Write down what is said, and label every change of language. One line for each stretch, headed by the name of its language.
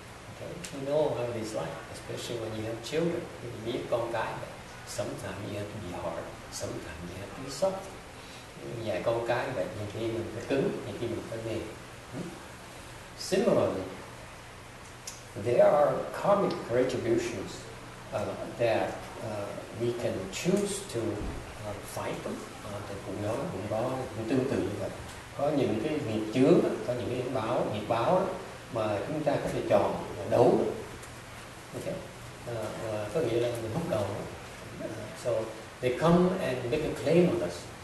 English: Okay, you know how it is like, especially when you have children, you
Vietnamese: biết con cái,
English: sometimes you have to be hard, sometimes you have to be soft.
Vietnamese: Dạy con cái vậy, nhiều khi mình phải cứng, nhiều khi mình phải mềm.
English: Similarly, there are karmic retributions that we can choose to fight them.
Vietnamese: Cũng nói cũng có cũng tương tự như vậy. Có những cái nghiệp chướng, có những cái nghiệp báo mà chúng ta có thể chọn đấu. Okay. Có nghĩa là mình bắt đầu.
English: So they come and make a claim on us.